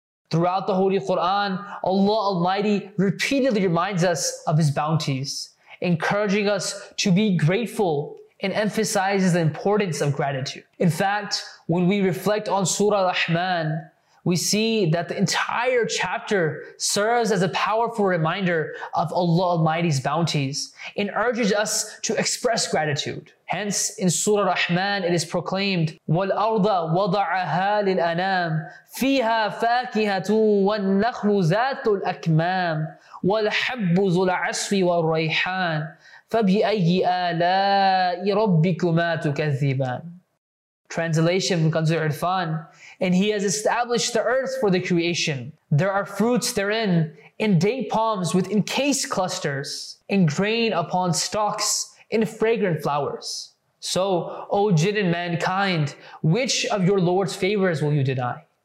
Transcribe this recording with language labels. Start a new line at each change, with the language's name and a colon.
English: Throughout the Holy Quran, Allah Almighty repeatedly reminds us of his bounties, encouraging us to be grateful and emphasizes the importance of gratitude. In fact, when we reflect on Surah Al-Rahman, we see that the entire chapter serves as a powerful reminder of Allah Almighty's bounties and urges us to express gratitude. Hence, in Surah Rahman, it is proclaimed,
Arabic: وَالْأَرْضَ وَضَعَهَا لِلْأَنَامِ فِيهَا فَاكِهَةٌ وَالنَّخْلُ ذَاتُ الْأَكْمَامِ وَالْحَبُّ ذُو الْعَصْفِ وَالرَّيْحَانِ فَبِأَيِّ آلَاءِ رَبِّكُمَا تُكَذِّبَانِ.
English: Translation from Kanzul Irfan, and he has established the earth for the creation. There are fruits therein, and date palms with encased clusters, and grain upon stalks, and fragrant flowers. So, O jinn and mankind, which of your Lord's favors will you deny?